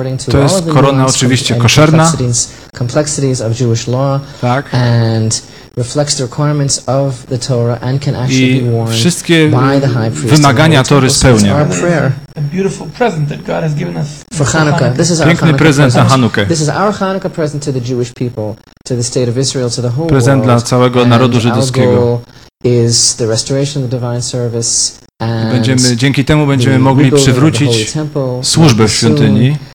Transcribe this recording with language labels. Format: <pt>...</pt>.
<pl>To jest korona oczywiście koszerna,</pl> <en>complexities of Jewish law,</en> <pl>tak.</pl> <en>And reflects the requirements of the Torah and can actually be worn by the high priest.</en> <pl>Wymagania Tory spełnia.</pl> <en>A beautiful present that God has given us for Hanukkah. This is our</en> <pl>piękny prezent na Hanukkę.</pl> <en>This is our Hanukkah present to the Jewish people, to the state of Israel, to the whole</en> <pl>prezent</pl> <en>world.</en> <pl>Dla całego narodu żydowskiego.</pl> <en>Our goal is the restoration of the divine service and</en> <pl>będziemy, dzięki temu będziemy mogli przywrócić służbę w świątyni.</pl>